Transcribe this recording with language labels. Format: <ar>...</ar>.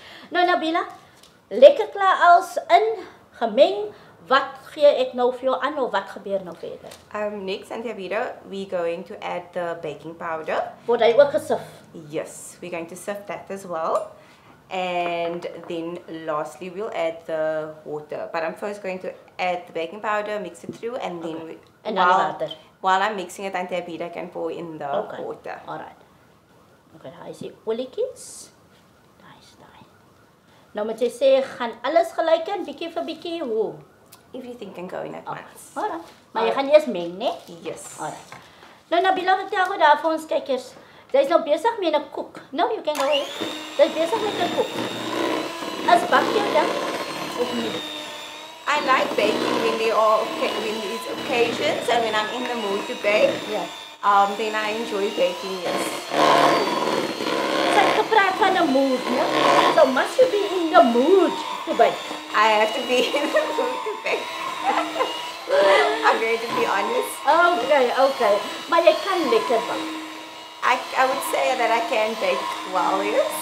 <af>Nou Nabeelah, lekker klaar als in gemeng. Wat gee ek nou vir jou aan of wat gebeur nou verder?</af> <en>Next, Antiabida, we're going to add the baking powder.</en> <af>Word hy ook gesif?</af> <en>Yes, we're going to sift that as well. And then lastly, we'll add the water. But I'm first going to add the baking powder, mix it through, and then... Okay. While I'm mixing it, Antiabida can pour in the water. Alright. Okay, I see oliekies. Nice.</en> <af>Nou moet jy sê, gaan alles gelyk in, bietjie vir bietjie, hoe?</af> <en>Everything can go in at once.</en> <af>Alright. Maar jy gaan eers meng, né?</af> <en>Yes.</en> <af>Alright. Nou, Nabeelah, vertel gou daar vir ons kykers. Jy is nou besig met 'n koek. Nou,</af> <en>you can go ahead.</en> <af>Jy is besig met 'n koek. As bak jy dan? Of nie?</af> <en>I like baking when there are when it's occasions and when I'm in the mood to bake. Yes. Then I enjoy baking, yes.</en> <af>So, ek gepraat van 'n mood, né?</af> <en>So, must you be in the mood to bake? I have to be in the mood to bake. I'm going to be honest.</en> <af>Okay. Maar jy kan lekker bak.</af> <en>I would say that I can bake well, yes.</en>